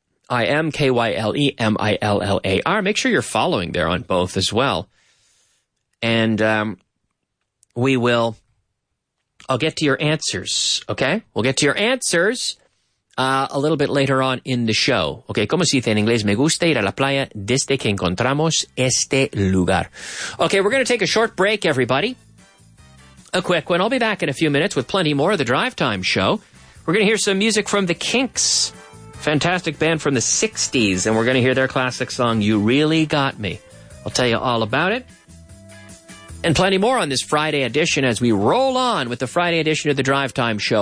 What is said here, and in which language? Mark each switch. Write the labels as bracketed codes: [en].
[en] I am K-Y-L-E-M-I-L-L-A-R. Make sure you're following there on both as well. And I'll get to your answers, okay? We'll get to your answers a little bit later on in the show. [es] Okay, ¿cómo se dice en inglés? Me gusta ir a la playa desde que encontramos este lugar. [en] Okay, we're going to take a short break, everybody. A quick one. I'll be back in a few minutes with plenty more of the Drive Time Show. We're going to hear some music from the Kinks. Fantastic band from the 60s, and we're going to hear their classic song, You Really Got Me. I'll tell you all about it. And plenty more on this Friday edition as we roll on with the Friday edition of the Drive Time Show.